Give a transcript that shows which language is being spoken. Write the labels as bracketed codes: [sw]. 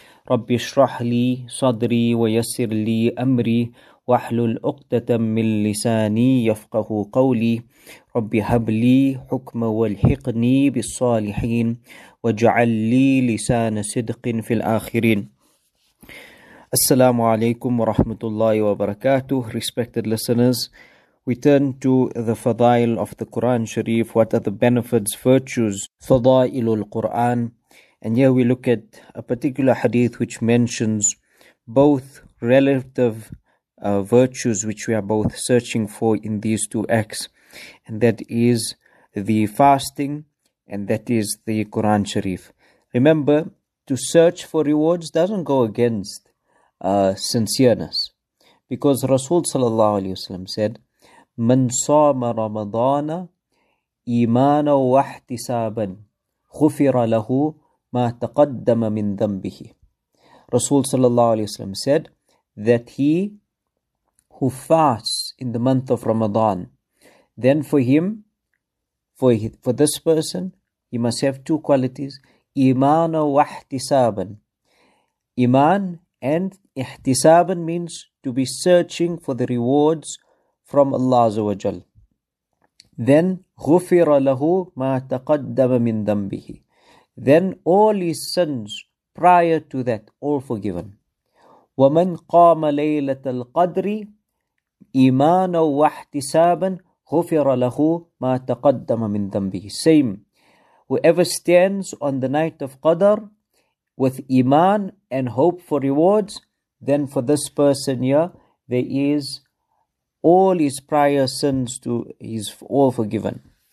[ar] رب اشرح لي صدري ويسر لي أمري واحلل عقدة من لساني يفقه قولي رب هب لي حكما والحقني بالصالحين واجعل لي لسان صدق في الآخرين. السلام عليكم ورحمة الله وبركاته. [en] Respected listeners, we turn to the fadail of the Quran Sharif. What are the benefits, virtues? Fadailul Quran. And here we look at a particular hadith which mentions both relative virtues which we are both searching for in these two acts. And that is the fasting and that is the Quran Sharif. Remember, to search for rewards doesn't go against sincereness. Because Rasul sallallahu alayhi wasallam said, [ar] من صام رمضان إيمانا واحتسابا غفر له ما تقدم من ذنبه. [en] Rasul sallallahu alayhi wasallam said that he who fasts in the month of Ramadan, then for this person, he must have two qualities, [ar] إيمانا واحتسابا. [en] إيمان and احتسابا means to be searching for the rewards from Allah Azza wa Jal. Then, [ar] غُفِرَ لَهُ مَا تَقَدَّمَ مِنْ ذَنْبِهِ. [en] Then all his sins prior to that, all forgiven. [ar] وَمَنْ قَامَ لَيْلَةَ الْقَدْرِ إِمَانًا وَاحْتِسَابًا غُفِرَ لَهُ مَا تَقَدَّمَ مِنْ ذَنْبِهِ. [en] Same. Whoever stands on the night of Qadr with Iman and hope for rewards, then for this person here, there is all his prior sins to is all forgiven.